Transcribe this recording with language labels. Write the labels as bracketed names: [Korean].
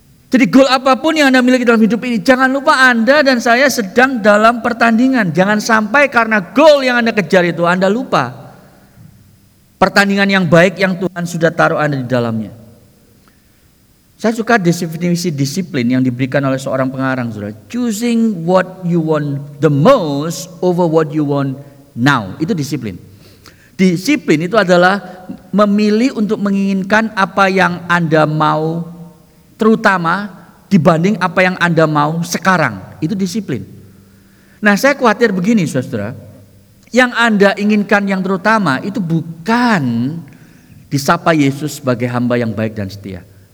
[Indonesian] Jadi goal apapun yang Anda miliki dalam hidup ini, jangan lupa Anda dan saya sedang dalam pertandingan. Jangan sampai karena goal yang Anda kejar itu, Anda lupa pertandingan yang baik yang Tuhan sudah taruh Anda di dalamnya. Saya suka definisi disiplin yang diberikan oleh seorang pengarang, saudara. [English] Choosing what you want the most over what you want now. [Indonesian] Itu disiplin. Disiplin itu adalah memilih untuk menginginkan apa yang Anda mau terutama dibanding apa yang Anda mau sekarang. Itu disiplin. Nah, saya khawatir begini, saudara. Yang Anda inginkan yang terutama itu bukan disapa Yesus sebagai hamba yang baik dan setia.